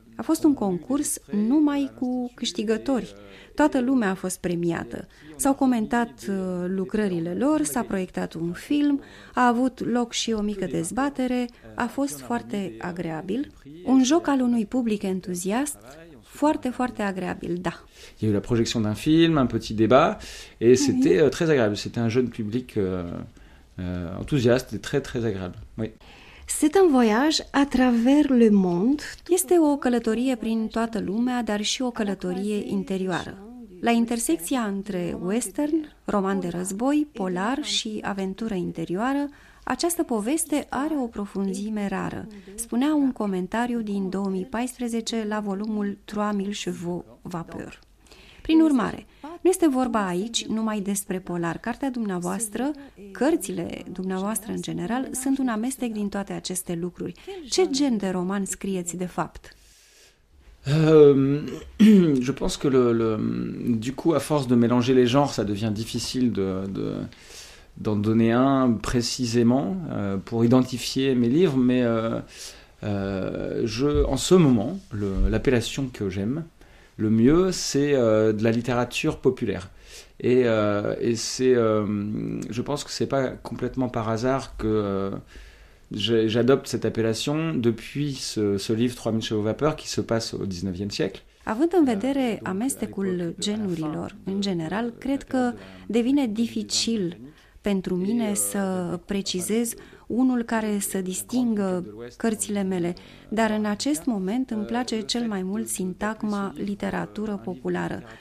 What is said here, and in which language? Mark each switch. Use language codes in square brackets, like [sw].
[ro] A fost un concurs numai cu câștigători. Toată lumea a fost premiată. S-au comentat lucrările lor, s-a proiectat un film, a avut loc și o mică dezbatere, a fost foarte agreabil. Un joc al unui public entuziast, foarte, foarte agreabil, da. [fr] Il y a eu la projection d'un film, un petit débat, et c'était très agréable. C'était un jeune public enthousiaste et très, très agréable. Oui. C'est un voyage à travers le monde. [ro] Este o călătorie prin toată lumea, dar și o călătorie interioară. La intersecția între western, roman de război, polar și aventură interioară, această poveste are o profunzime rară, spunea un comentariu din 2014 la volumul 3000 chevaux vapeur. Prin urmare, nu este vorba aici numai despre polar. Cartea dumneavoastră, cărțile dumneavoastră în general, sunt un amestec din toate aceste lucruri. Ce gen de roman scrieți de fapt? [fr] Je pense que du coup, à force de mélanger les genres, ça devient difficile d'en donner un précisément pour identifier mes livres, en ce moment, l'appellation que j'aime, le mieux, c'est de la littérature populaire. Je pense que c'est pas complètement par hasard que j'adopte cette appellation depuis ce livre 3000 chevaux vapeur qui se passe au 19e siècle. [ro] Având în vedere amestecul genurilor, în general, cred că devine dificil pentru mine să precizez unul care să distingă cărțile mele, dar în acest moment îmi place cel mai mult sintagma literatură populară.